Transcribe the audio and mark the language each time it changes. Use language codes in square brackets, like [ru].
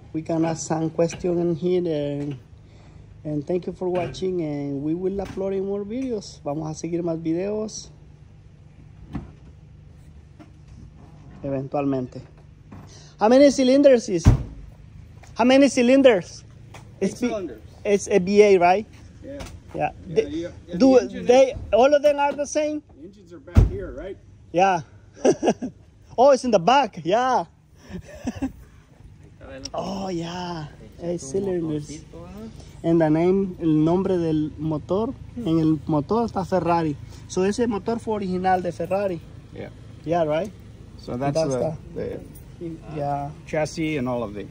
[en] We can ask some question in here. And thank you for watching, and we will upload more videos. [es] Vamos a seguir más videos eventualmente. [en] How many cylinders is? How many cylinders? It's a BA, right? Yeah. Yeah. All of them are the same? The engines are back here, right? Yeah. Oh, it's in the back. Yeah. Oh, yeah. Cylinders. And the name, [es] el nombre del motor, en el motor está Ferrari. So ese motor fue original de Ferrari. [en] Yeah. Yeah, right? So that's the chassis and all of the.